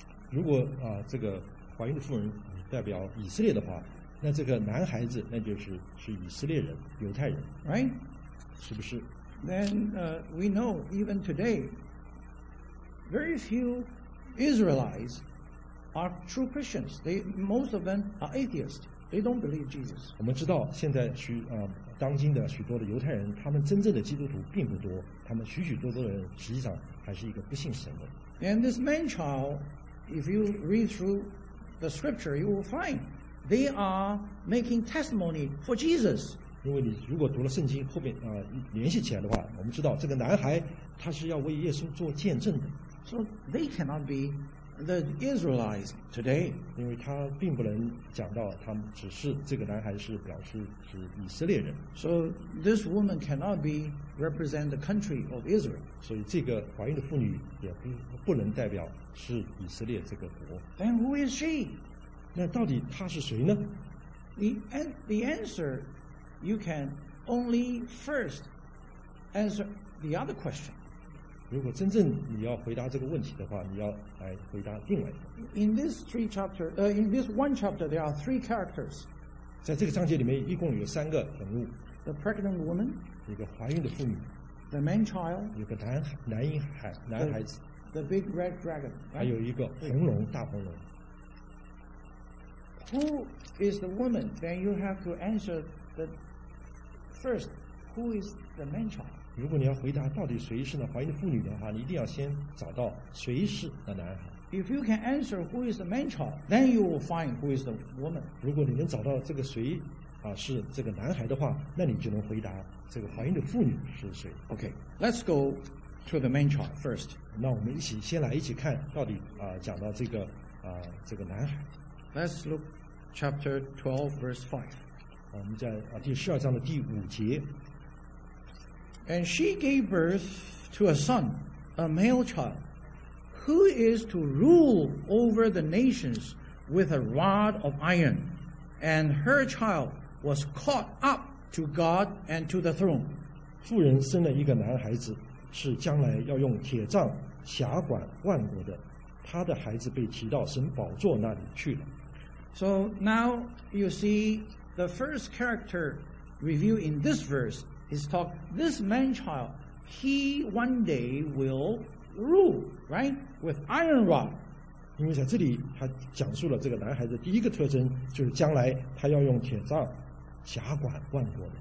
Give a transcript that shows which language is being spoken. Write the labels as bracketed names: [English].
[Chinese] 如果这个怀孕的妇人代表以色列的话，那这个男孩子那就是以色列人，犹太人 [English] ，right? [Chinese] 是不是 [English] ？Then we know even today, very few Israelites. Are true Christians. They most of them are atheists. They don't believe Jesus. [Chinese] 我们知道现在当今的许多的犹太人，他们真正的基督徒并不多。他们许许多多的人实际上还是一个不信神的。 [English] And this man child, if you read through the scripture, you will find they are making testimony for Jesus. [Chinese] 因为你如果读了圣经后面联系起来的话，我们知道这个男孩他是要为耶稣做见证的。 [English] So they cannot be. the Israelites today. [Chinese] 因为他并不能讲到他们只是这个男孩是表示是以色列人。 [English] So this woman cannot be represent the country of Israel. [Chinese] 所以这个怀孕的妇女也不能代表是以色列这个国。 [English] Then who is she? [Chinese] 那到底她是谁呢？ [English] The answer you can only first answer the other question. [Chinese] 如果真正你要回答这个问题的话，你要来回答另外一个。 [English] In this one chapter, there are three characters. [Chinese] 在这个章节里面，一共有三个人物。 [English] The pregnant woman. [Chinese] 一个怀孕的妇女。 [English] The man child. [Chinese] 有个男孩子。 [English] The big red dragon. [Chinese] 还有一个红龙，大红龙。 [English] Who is the woman? Then you have to answer the first. Who is the man child? [Chinese] 如果你要回答到底谁是那怀孕的妇女的话，你一定要先找到谁是那男孩。 [English] If you can answer who is the man child, then you will find who is the woman. [Chinese] 如果你能找到这个谁啊是这个男孩的话，那你就能回答这个怀孕的妇女是谁。 [English] Okay, let's go to the man child first. [Chinese] 那我们一起看到底啊讲到这个啊这个男孩。 [English] Let's look chapter 12, verse 5. [Chinese] 我们在第十二章的第五节。 [English] And she gave birth to a son, a male child, who is to rule over the nations with a rod of iron. And her child was caught up to God and to the throne. [Chinese] 妇人生了一个男孩子，是将来要用铁杖辖管万国的。他的孩子被提到神宝座那里去了。 [English] So now you see the first character revealed in this verse. This man child, he one day will rule, right? With iron rod. [Chinese] 因为在这里他讲述了这个男孩子第一个特征，就是将来他要用铁杖辖管万国。